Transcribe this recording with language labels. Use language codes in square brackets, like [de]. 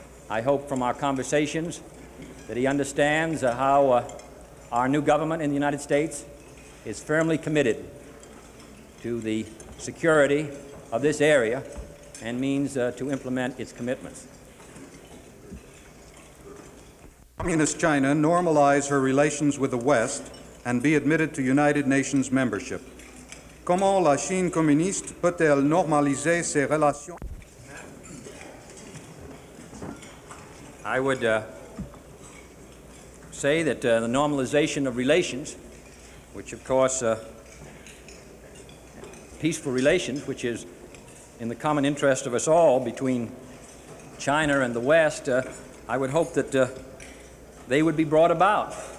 [en] I hope from our conversations that he understands how our new government in the United States is firmly committed to the security of this area and means to implement its commitments. Communist China normalize her relations with the West and be admitted to United Nations membership? [fr] Comment la Chine communiste peut-elle normaliser ses relations? [en] I would say that the normalization of relations, which of course, peaceful relations, which is in the common interest of us all between China and the West, I would hope that they would be brought about.